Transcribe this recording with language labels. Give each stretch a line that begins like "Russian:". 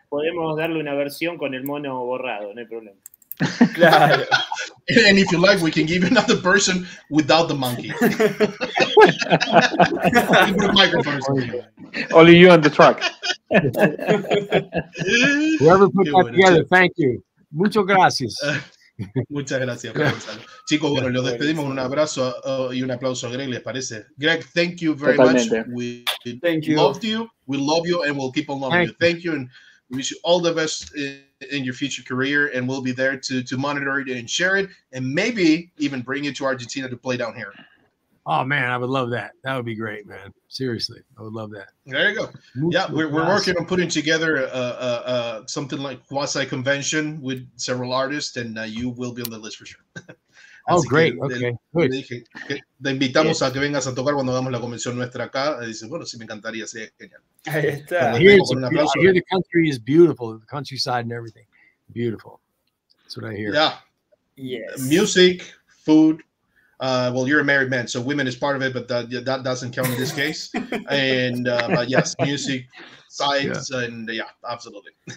Spanish: podemos darle una versión con el mono borrado, no hay problema. Claro.
English: And if you like, we can give you another person without the monkey. Only you on the truck. Whoever put that together, thank you.
Spanish: Muchas gracias. Muchas gracias, Gonzalo. Chicos, bueno, los despedimos con un abrazo y un aplauso a Greg, ¿les parece?
English: Greg, thank you very much. We love you and we'll keep on loving you. Thank you. We wish you all the best in your future career, and we'll be there to monitor it and share it, and maybe even bring you to Argentina to play down here. Oh, man, I would love that. That would be great, man. Seriously, I would love that. There you go. Yeah, we're working on putting together something like quasi-convention with several artists, and you will be on the list for sure. Oh, great. Okay.
Spanish: Te invitamos a que vengas a tocar cuando hagamos la convención nuestra acá. Dices, bueno, sí, me encantaría, sería genial. Ahí está.
English: I hear the country is beautiful, the countryside and everything. Beautiful. That's what I hear. Yeah. Yes. Music, food. Well, you're a married man, so women is part of it, but that doesn't count in this case. And but yes, music, sights, and yeah, absolutely.